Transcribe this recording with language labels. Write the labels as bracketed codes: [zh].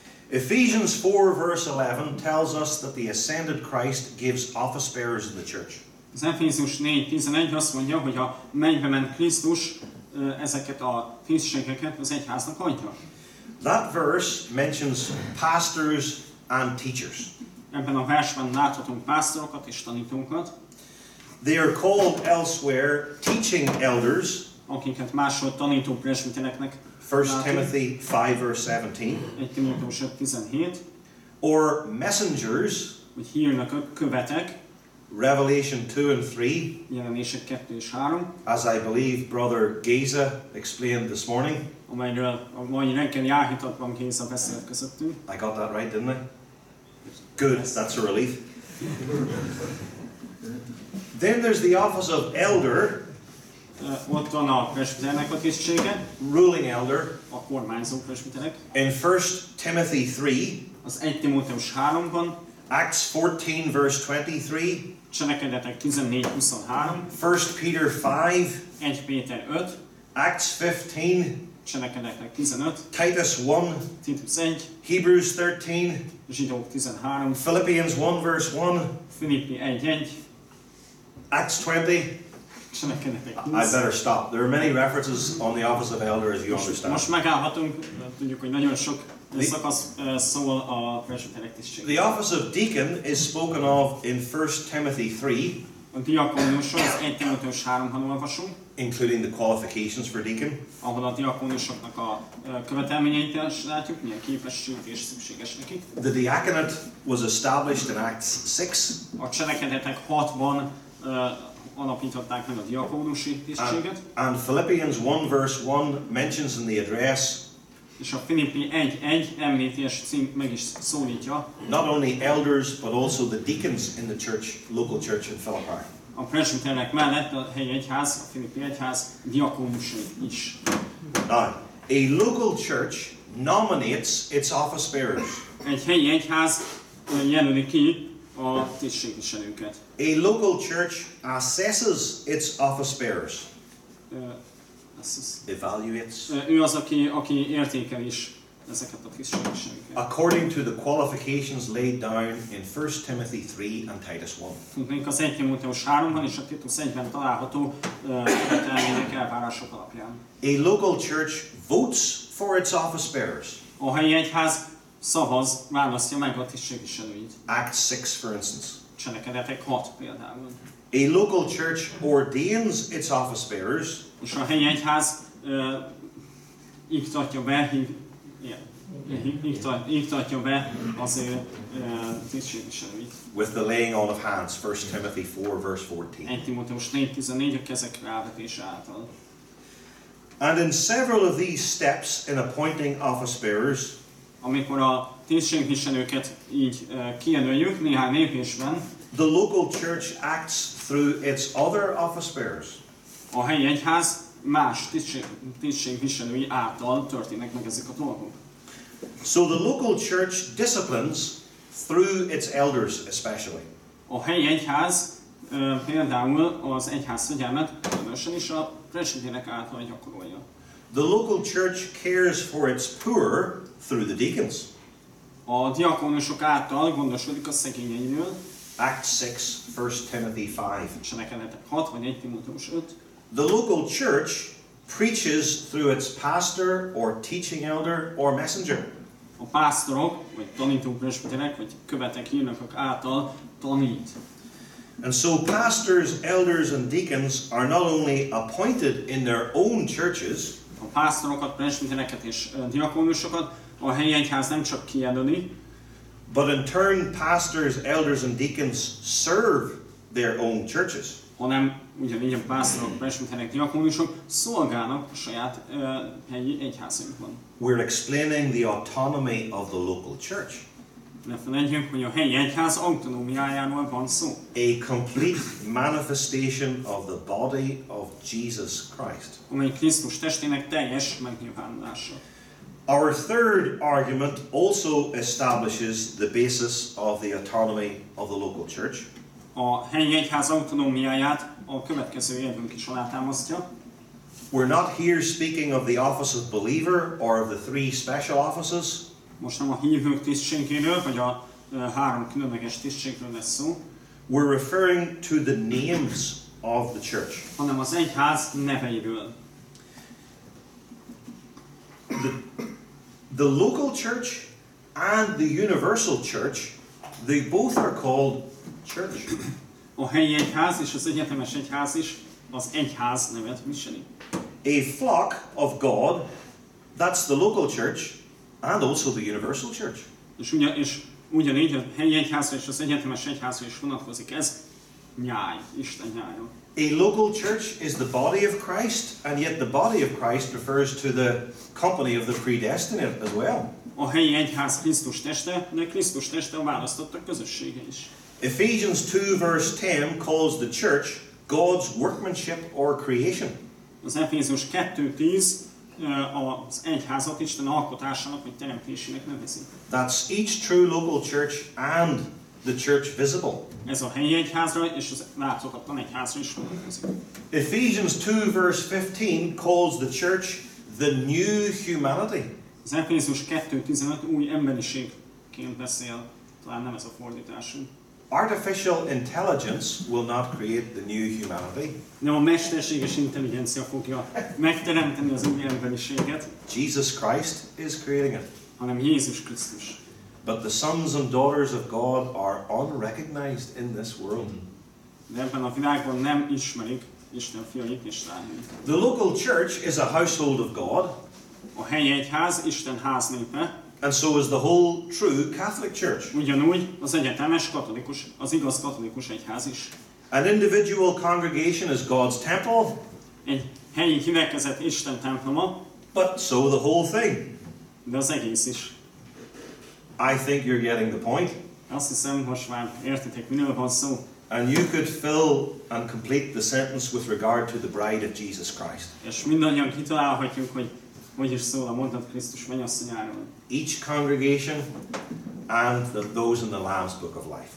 [en] Ephesians 4 verse 11 tells us that the ascended Christ gives office bearers in the church. [hu] Az Efézus 4:11 azt mondja, hogy a mennybe ment Krisztus ezeket a tisztségeket az egyháznak adja. [en] That verse mentions pastors and teachers. [hu] Ebben a versben láthatunk pásztorokat és tanítókat. [en] They are called elsewhere teaching elders. [hu] Akiket máshol tanító presbitereknek. [en] 1 Timothy 5:17. [hu] 1 Timóteus 5:17. [en] or messengers, [hu] hogy hírnök a követek, [en] Revelation 2 and 3, [hu] jelenések 2 és 3, [en] as I believe Brother Géza explained this morning, [hu] amelyről a mai renken járhítottban Géza beszélt közöttünk. [en] I got that right, didn't I? Good, that's a relief. Then there's the office of elder, [hu] ott van a presbiternek a tisztsége, [en] ruling elder, [hu] a kormányzó presbiternek, [en] in 1 Timothy 3, [hu] az 1 Timóteus 3-ban, [en] Acts 14 verse 23, [hu] Cselekedetek 14:23, [en] 1 Peter 5, [hu] 1 Péter 5, [en] Acts 15, [hu] Cselekedetek 15, [en] Titus 1, [hu] Titus 1, [en] Hebrews 13, [hu] Zsidók 13, [en] Philippians 1 verse 1, [hu] Filippi 1:1, [en] Acts 20, I better stop. There are many references on the office of elder, as you understand. [hu] Most megállhatunk, tudjuk, hogy nagyon sok szakasz szól a presbiterek tisztségéről. [en] The office of deacon is spoken of in 1 Timothy 3. [hu] A diakónusról az 1 Timóteus 3-ban olvasunk. [en] Including the qualifications for deacon. [hu] Ahol a diakónusoknak a követelményeit is látjuk, milyen képesség és szükséges neki. [en] The diaconate was established in Acts 6. [hu] A Cselekedetek 6-ban alapították meg a diakónusi tisztséget. [en] And Philippians 1 verse 1 mentions in the address, [hu] és a Filippi 1:1 említi és meg is szólítja, [en] not only elders but also the deacons in the church, local church in Philippi. [hu] A presbiternek mellett a helyi egyház, a Filippi egyház diakónusi is. [en] Now, a local church nominates its office bearers. [hu] Egy helyi egyház jelöli ki a tisztségviselőket. [en] A local church assesses its office bearers. Evaluates. [hu] Ő az, aki értékel is ezeket a tisztségviselőket. [en] According to the qualifications laid down in 1 Timothy 3 and Titus 1. [hu] Mink az 1 Timóteus 3-ban és a Titus 1-ben található követelmények elvárások alapján. [en] A local church votes for its office bearers. [hu] A helyi egyház szavaz, választja meg a tisztségviselőit. [en] Acts 6, for instance. [hu] Cselekedetek 6 például. [en] A local church ordains its office bearers. [hu] És a helyi egyház iktatja be, az ő tisztségviselőit. [en] With the laying on of hands, 1 Timothy 4, verse 14. [hu] 1 Timóteus 4:14 a kezek rávetése által. [en] And in several of these steps in appointing office bearers, [hu] amikor a tisztségviselőket így kijelöljük néhány lépésben, [en] the local church acts through its other office bearers. [hu] A helyi egyház más tisztségviselői által történnek meg ezek a dolgok. [en] So the local church disciplines through its elders especially. [hu] A helyi egyház például az egyház fegyelmet különösen is a presbiterek által gyakorolja. [en] The local church cares for its poor through the deacons. [hu] A diakónusok által gondoskodik a szegényeiről. [en] Acts 6, 1 Timothy 5. [hu] Cselekedetek 6, vagy 1 Timóteus 5. [en] The local church preaches through its pastor or teaching elder or messenger. [hu] A pásztorok, vagy tanító presbiterek, vagy követek hírnökök által tanít. [en] And so pastors, elders and deacons are not only appointed in their own churches. [hu] A pásztorokat, presbitereket és diakónusokat a helyi egyház nem csak kijelöli, [en] but in turn pastors, elders and deacons serve their own churches. [hu] Hanem ugyanígy a pásztorok, presbiterek, diakónusok szolgálnak a saját helyi egyházunkban. [en] We're explaining the autonomy of the local church. [hu] Ne felejtjük, hogy a helyi egyház autonómiájáról van szó. [en] A complete manifestation of the body of Jesus Christ. [hu] Amely Krisztus testének teljes megnyilvánulása. [en] Our third argument also establishes the basis of the autonomy of the local church. [hu] A helyi egyház autonómiáját a következő érvünk is alátámasztja. [en] We're not here speaking of the office of believer or of the three special offices. [hu] Most nem a hívők tisztségéről, vagy a három különleges tisztségről lesz szó. [en] We're referring to the names of the church. [hu] Hanem az egyház neveiről. [en] The local church and the universal church, they both are called church. [hu] A helyi egyház és az egyetemes egyház is az egyház nevet viseli. [en] A flock of God, that's the local church and also the universal church. [hu] És ugye, és Ugyanígy a helyi egyházra és az egyetemes egyházra is vonatkozik ez. Nyáj, Isten nyája. [en] A local church is the body of Christ, and yet the body of Christ refers to the company of the predestined as well. [hu] A helyi egyház Krisztus teste, de Krisztus teste a választottak közössége is. [en] Ephesians 2 verse 10 calls the church God's workmanship or creation. [hu] Az Efézus 2:10 az egyházat Isten alkotásának vagy teremtésének nevezi. [en] That's each true local church and the church visible. [hu] Ez a helyi egyházra és az látszokatlan egyházra is vonatkozik. [en] Ephesians 2 verse 15 calls the church the new humanity. [hu] Az Efézus 2:15 új emberiségként beszél, talán nem ez a fordításunk. [en] Artificial intelligence will not create the new humanity. [hu] No, a mesterséges intelligencia fogja megteremteni az új emberiséget. [en] Jesus Christ is creating it. [hu] Hanem Jézus Krisztus. [en] But the sons and daughters of God are unrecognized in this world. [hu] De ebben a világban nem ismerik Isten fiait, Istenét. [en] The local church is a household of God. [hu] A helyi egyház Isten háznépe. [en] And so is the whole true Catholic Church. [hu] Ugyanúgy az egyetemes katolikus, az igaz katolikus egyház is. [en] An individual congregation is God's temple. [hu] Egy helyi gyülekezet Isten temploma. [en] But so the whole thing. [hu] De az egész is. [en] I think you're getting the point. [hu] Azt hiszem, most már értitek, minél van szó. [en] And you could fill and complete the sentence with regard to the bride of Jesus Christ. [hu] És mindannyian kitalálhatjuk, hogy hogy is szól a mondat Krisztus mennyasszonyáról. [en] Each congregation and those in the Lamb's Book of Life.